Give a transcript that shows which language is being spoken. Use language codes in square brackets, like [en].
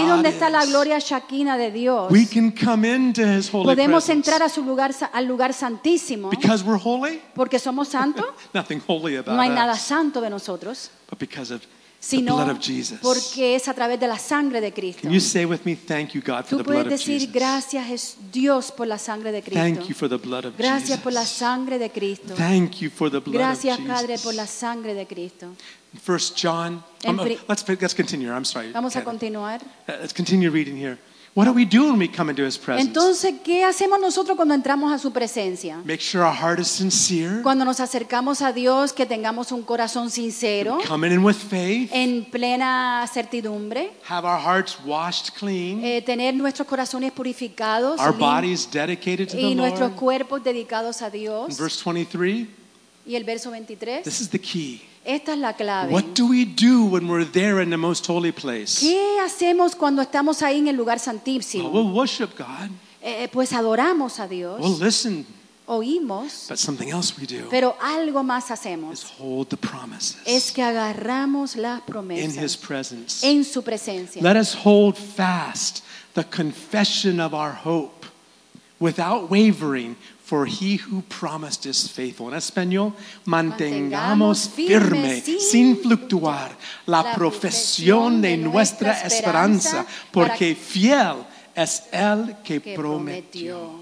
[en] God [es] donde [en] is. [es] Está la gloria Shekinah de Dios. [en] We can come into his holy [es] podemos [en] presence. [es] Entrar a su lugar, al lugar santísimo. [en] Because we're holy? [es] Porque somos santo. [en] Nothing holy about us. [es] No hay [en] us. [es] Nada santo de nosotros. [en] But because of [es] sino [en] the blood of Jesus. [es] Porque es a través de la sangre de Cristo. [en] Can you say with me, thank you God for [es] tú [en] the blood [es] decir, [en] of Jesus. [es] Gracias Dios por la sangre de Cristo. [en] Thank you for the blood of [es] gracias [en] Jesus. [es] Gracias por la sangre de Cristo. [en] Thank you for the blood [es] gracias, [en] of Jesus. [es] Gracias Padre por la sangre de Cristo. [en] First John. Let's continue. I'm sorry. [es] Vamos a continuar. [en] Let's continue reading here. What do we do when we come into his presence? [es] Entonces, ¿qué hacemos nosotros cuando entramos a su presencia? [en] Make sure our heart is sincere. [es] Cuando nos acercamos a Dios, que tengamos un corazón sincero. [en] Come in with faith. [es] En plena certidumbre. [en] Have our hearts washed clean. [es] Tener nuestros corazones purificados. [en] Our bodies dedicated to the Lord. [es] Y nuestros cuerpos dedicados a Dios. [en] In verse 23. [es] Y el verso 23. [en] This is the key. [es] Esta es la clave. [en] What do we do when we're there in the most holy place? [es] ¿Qué hacemos cuando estamos ahí en el lugar santísimo? [en] Well, we'll worship God. [es] Pues adoramos a Dios. [en] We'll listen. [es] Oímos. [en] But something else we do. [es] Pero algo más hacemos. [en] Is hold the promises. [es] Es que agarramos las promesas. [en] In his presence. [es] En su presencia. [en] Let us hold fast the confession of our hope without wavering. For he who promised is faithful. [es] En español, mantengamos firme, sin fluctuar, la profesión de nuestra esperanza, porque fiel es el que prometió.